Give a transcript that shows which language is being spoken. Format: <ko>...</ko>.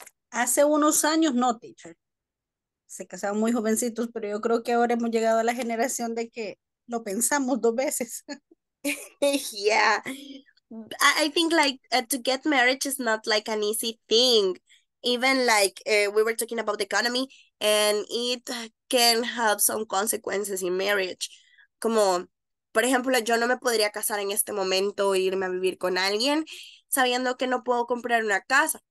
<es>Hace unos años no, teacher. Se casaban muy jovencitos, pero yo creo que ahora hemos llegado a la generación de que lo pensamos dos veces.</es> <en>Yeah. I think like to get marriage is not like an easy thing. Even like we were talking about the economy and it can have some consequences in marriage.</en> <es>Como, por ejemplo, yo no me podría casar en este momento e irme a vivir con alguien sabiendo que no puedo comprar una casa.</es>